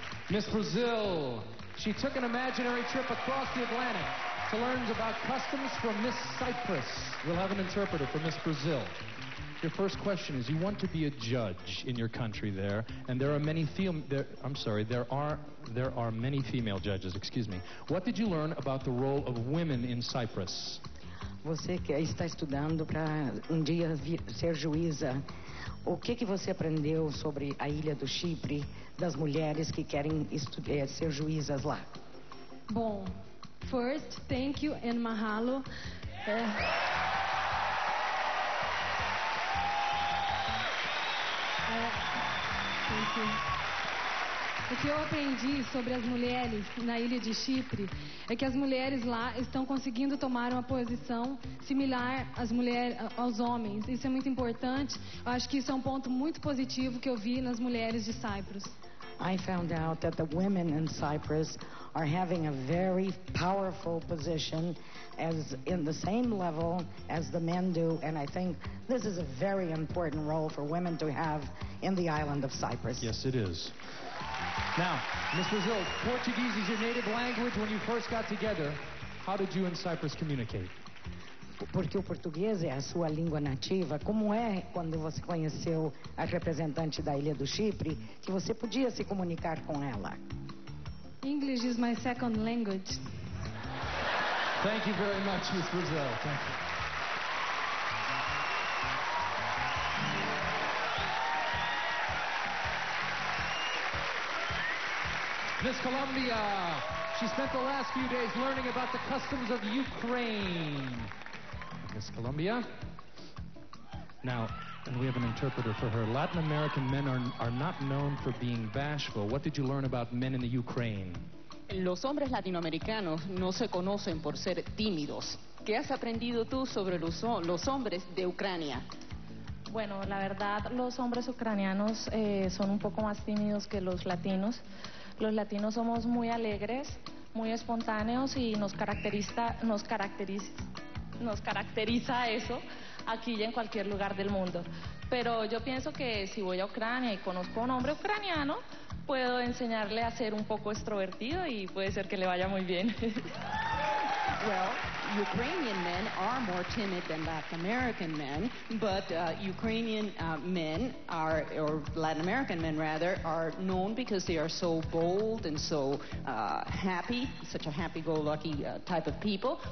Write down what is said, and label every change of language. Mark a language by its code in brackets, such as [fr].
[en] Miss Brazil, she took an imaginary trip across the Atlantic to learn about customs from Miss Cyprus. We'll have an interpreter for Miss Brazil. Your first question is, you want to be a judge in your country there, and there are many there are many female judges, excuse me. What did you learn about the role of women in Cyprus? [pt] Você que está estudando para dia ser juíza. O que que você aprendeu sobre a ilha do Chipre, das mulheres que querem ser juízas lá? [en] Bom, first, thank you and mahalo. Thank you. [pt] O que eu aprendi sobre as mulheres na ilha de Chipre é que as mulheres lá estão conseguindo tomar uma posição similar às mulheres, aos homens. Isso é muito importante. Eu acho que isso é um ponto muito positivo que eu vi nas mulheres de Cyprus. [en] I found out that the women in Cyprus are having a very powerful position as in the same level as the men do, and I think this is a very important role for women to have in the island of Cyprus. Yes, it is. Now, Ms. Brazil, Portuguese is your native language. When you first got together, how did you in Cyprus communicate? [pt] Porque o português é a sua língua nativa, como é quando você conheceu a representante da ilha do Chipre, que você podia se comunicar com ela? [en] English is my second language. Thank you very much, Ms. Brazil. Thank you. Miss Colombia, she spent the last few days learning about the customs of Ukraine. Miss Colombia. Now, and we have an interpreter for her. Latin American men are not known for being bashful. What did you learn about men in the Ukraine? [es] Los hombres latinoamericanos no se conocen por ser tímidos. ¿Qué has aprendido tú sobre los hombres de Ucrania? Bueno, la verdad, los hombres ucranianos son un poco más tímidos que los latinos. Los latinos somos muy alegres, muy espontáneos y nos caracteriza eso aquí y en cualquier lugar del mundo. Pero yo pienso que si voy a Ucrania y conozco a un hombre ucraniano, puedo enseñarle a ser un poco extrovertido y puede ser que le vaya muy bien. [en] Well, Ukrainian men are more timid than Latin American men, but Ukrainian men are, or Latin American men rather, are known because they are so bold and so happy, such a happy-go-lucky type of people.